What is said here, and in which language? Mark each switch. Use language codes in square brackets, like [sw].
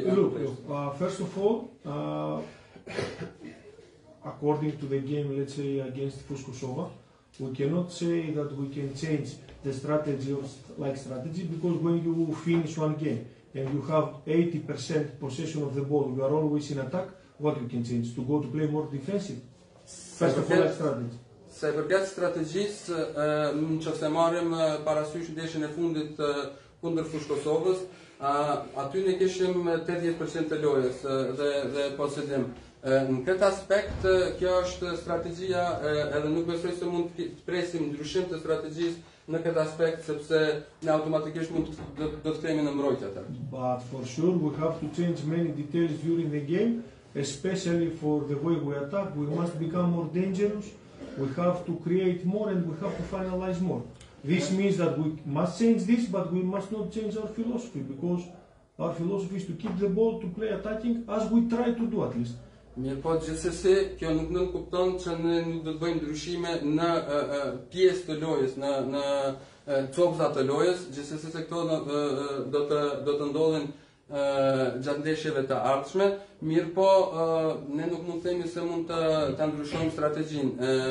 [en] Look, first of all, according to the game, let's say, against FUS Kosovo, we cannot say that we can change the strategy of like strategy, because when you finish one game and you have 80% possession of the ball, you are always in attack, what you can change? To go to play more defensive? First of all, like strategy. [sq] Se përket strategjisë, në që se marim parasysh ndeshjen e fundit kundër FUS Kosovës, aty ne kishim 80% të lojës dhe posedim. Në këtë aspekt, kjo është strategjia, edhe nuk besoj se mund të presim ndryshim të strategjisë në këtë aspekt, sepse ne automatikisht mund do të kemi në mbrojtja tërë. [en] But for sure, we have to change many details during the game, especially for the way we attack, we must become more dangerous. We have to create more and we have to finalize more. This means that we must change this, but we must not change our philosophy, because our philosophy is to keep the ball, to play attacking, as we try to do at least. [sq] Mirë po, gjithsesi, kjo nuk nënkupton që ne nuk do të bëjmë ndryshime në pjesë të lojës, në copëza të lojës, gjithsesi se këto do të ndodhin gjatë ndeshjeve të ardhshme. Mirë po, ne nuk mund të themi se mund të ndryshojmë strategjinë.